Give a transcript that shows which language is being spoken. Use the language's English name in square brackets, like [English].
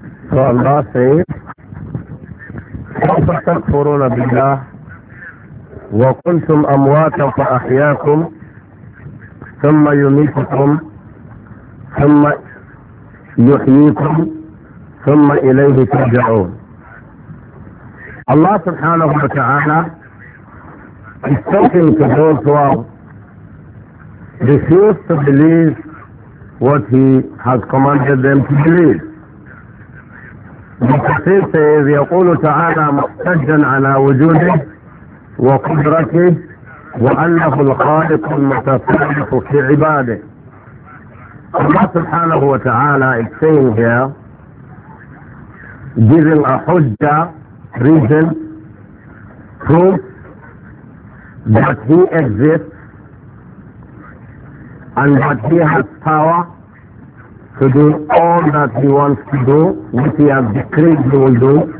[English] So Allah says, [Arabic] كيف تكفرون بالله وكنتم أمواتا فأحياكم ثم يميتكم ثم يحييكم ثم إليه ترجعون. [English] Allah سبحانه وتعالى is talking to those who have refused to believe what he has commanded them to believe. Mufassir says, [Arabic] يَقُولُ تَعَالَى مُحْتَجًّا عَلَى وُجُودِهِ وَقُدْرَتِهِ وَأَنَّهُ الْخَالِقُ الْمُتَصَرِّفُ فِي عِبَادِهِ. [English] Allah subhanahu wa ta'ala is saying here, giving a hujjah, reason, proof, that he exists and that he has power to do all that he wants to do, which he has decreed he will do,